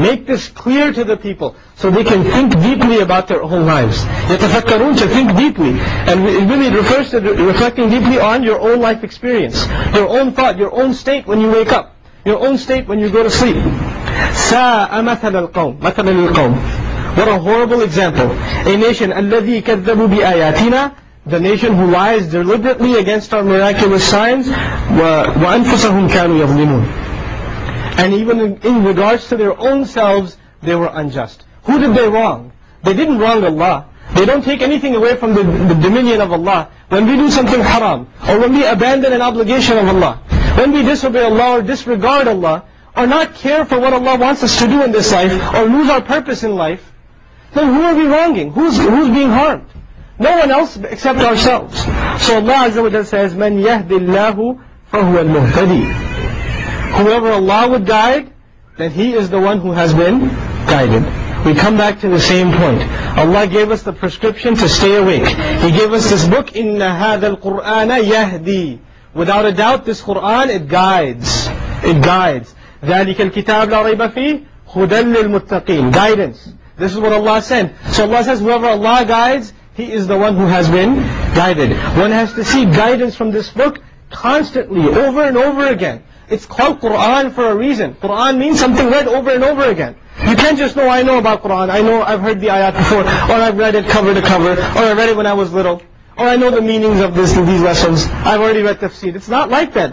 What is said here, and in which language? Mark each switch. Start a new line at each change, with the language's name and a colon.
English: Make this clear to the people, so they can think deeply about their own lives. يَتَفَكَّرُونَ, to think deeply. And really it refers to reflecting deeply on your own life experience, your own thought, your own state when you wake up, your own state when you go to sleep.
Arabic: سَاءَ مَثَلَ الْقَوْمِ. مَثَلَ الْقَوْمِ.
English: What a horrible example. A nation,
Arabic: الَّذِي كَذَّبُوا بِآيَاتِنَا.
English: The nation who lies deliberately against our miraculous signs.
Arabic: وَأَنفُسَهُمْ كَانُوا يَظْلِمُونَ.
English: And even in regards to their own selves, they were unjust. Who did they wrong? They didn't wrong Allah. They don't take anything away from the dominion of Allah. When we do something haram, or when we abandon an obligation of Allah, when we disobey Allah or disregard Allah, or not care for what Allah wants us to do in this life, or lose our purpose in life, then who are we wronging? Who's being harmed? No one else except ourselves. So Allah Azza wa Jalla says,
Arabic: مَنْ يَهْدِ اللَّهُ فَهُوَ الْمُهْتَدِي.
English: Whoever Allah would guide, then he is the one who has been guided. We come back to the same point. Allah gave us the prescription to stay awake. He gave us this book,
Arabic: إِنَّ هَذَا الْقُرْآنَ يَهْدِي.
English: Without a doubt, this Qur'an, it guides.
Arabic: ذَلِكَ الْكِتَابُ لَا رَيْبَ فِيهِ هُدَلْ لِلْمُتَّقِينَ Guidance.
English: This is what Allah said. So Allah says, whoever Allah guides, He is the one who has been guided. One has to seek guidance from this book constantly, over and over again. It's called Qur'an for a reason. Qur'an means something read over and over again. You can't just know, I know about Qur'an, I know I've heard the ayat before, or I've read it cover to cover, or I read it when I was little, or I know the meanings of this and these lessons, I've already read tafsir. It's not like that.